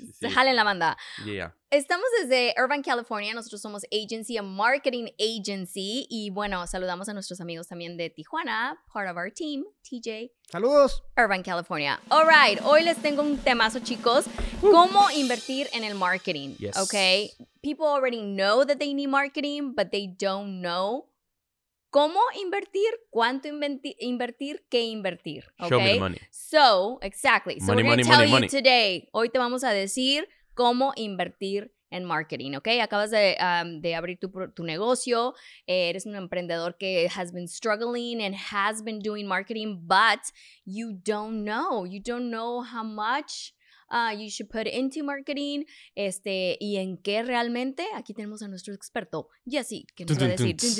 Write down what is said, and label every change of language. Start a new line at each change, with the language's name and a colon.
Spanish: Jalen la banda.
English: Yeah.
Spanish: Estamos desde Irvine, California. Nosotros somos Agency,
English: a marketing agency.
Spanish: Y bueno, saludamos a nuestros amigos también de Tijuana,
English: part of our team,
Spanish: TJ. ¡Saludos! Irvine, California.
English: All right,
Spanish: hoy les tengo un temazo, chicos. ¿Cómo invertir en el marketing?
English: Yes. Okay. People already know that they need marketing, but they don't know
Spanish: cómo invertir, cuánto invertir, qué invertir.
English: Okay? Show me the money. So, exactly. So, money, we're going to tell you money today.
Spanish: Hoy te vamos a decir cómo invertir en marketing, ¿ok? Acabas de abrir tu negocio, eres un emprendedor que
English: has been struggling and has been doing marketing, but you don't know how much you should put into marketing,
Spanish: y en qué realmente. Aquí tenemos a nuestro experto, Jesse, que nos va a decir.